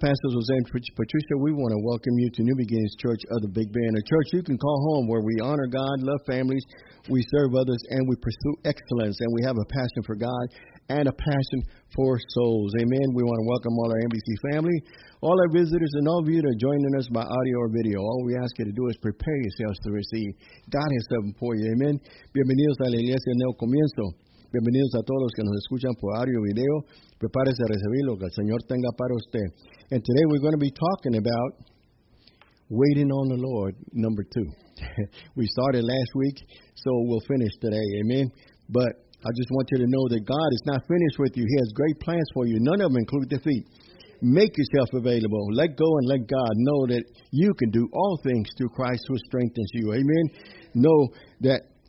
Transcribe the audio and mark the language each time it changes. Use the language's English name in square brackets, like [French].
[English] Pastor Jose and Patricia, we want to welcome you to New Beginnings Church of the Big Bend, a church you can call home where we honor God, love families, we serve others, and we pursue excellence, and we have a passion for God and a passion for souls. Amen. We want to welcome all our NBC family, all our visitors, and all of you that are joining us by audio or video. All we ask you to do is prepare yourselves to receive God has something for you. Amen. [Spanish] Bienvenidos a la Iglesia en el Comienzo. Bienvenidos a todos los que nos escuchan por audio video. Prepárese a recibir lo que el Señor tenga para usted. [English] And today we're going to be talking about waiting on the Lord, number two. We started last week, so we'll finish today. Amen. But I just want you to know that God is not finished with you. He has great plans for you. None of them include defeat. Make yourself available. Let go and let God know that you can do all things through Christ who strengthens you. Amen. Know that.